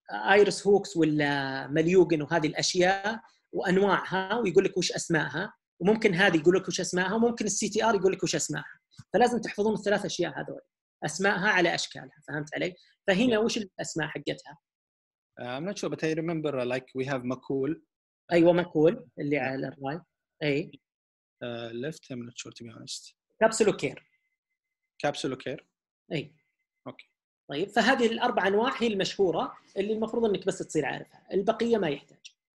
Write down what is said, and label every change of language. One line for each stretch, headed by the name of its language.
Arabic: آيرس هوكس ولا مليوغن وهذه الأشياء وأنواعها ويقول لك وش أسماءها وممكن هذه يقول لك وش أسماءها وممكن السي تي آر يقول لك وش أسماءها فلازم تحفظون الثلاث أشياء هذول أسماءها على أشكالها فهمت علي فهنا وش الأسماء حقتها
English: I'm not sure but I remember like we have مكول
Arabic: أيوة مكول اللي على الراي أي
English: left I'm not sure to be honest. Capsule care. Capsule care.
Arabic: اي. اوكي. طيب فهذه الاربع انواع هي المشهورة اللي المفروض انك بس تصير عارفها، البقية ما يحتاج.